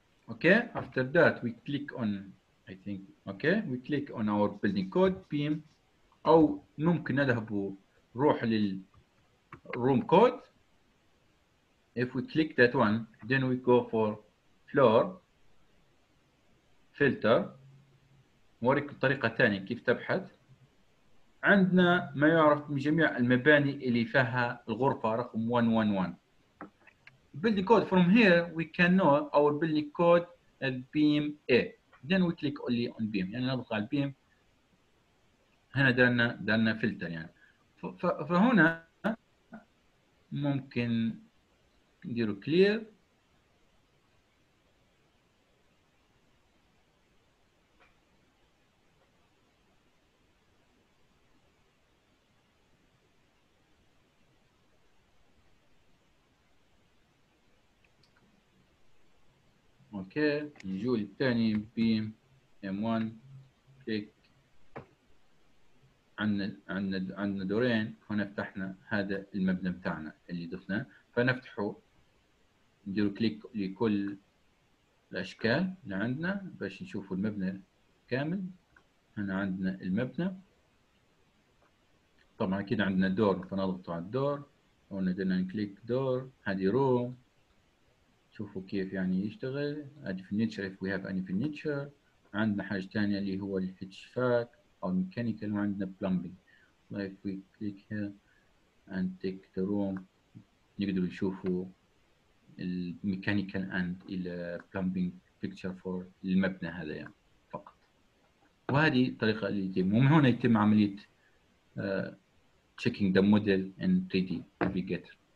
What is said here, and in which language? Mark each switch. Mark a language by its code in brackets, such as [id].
[en] Okay, after that we click on, I think, okay, we click on our building code beam. [ar] أو ممكن نذهب وروح للروم كود. [en] If we click that one, then we go for floor filter. [ar] موريك طريقة تانية كيف تبحث. عندنا ما يعرف من جميع المباني اللي فيها الغرفة رقم 111. [en] Building code from here we can know our building code at beam A. Then we click only on beam. [ar] يعني نضغط على beam. هنا دلنا فلتر يعني. فهنا ممكن نديره clear. اوكي نجو للثاني بيم ام 1 كليك. عندنا دورين هنا. فتحنا هذا المبنى بتاعنا اللي ضفناه فنفتحه ندير كليك لكل الاشكال اللي عندنا باش نشوفوا المبنى كامل. هنا عندنا المبنى طبعا اكيد عندنا دور فنضغط على الدور ونقدر نكليك دور. هذه روم شوفوا كيف يعني يشتغل. [en] هذه furniture if we have any furniture. [ar] عندنا حاجة تانية اللي هو الهيتشفاك أو الميكانيكال. [en] وعندنا plumbing if we click here and take the room [ar] نقدر نشوفوا [en] الميكانيكال and البلمبينج picture for [ar] المبنى هذا يعني فقط. وهذه الطريقة اللي يتم ومن هنا يتم عملية [en] checking the model in 3D navigator.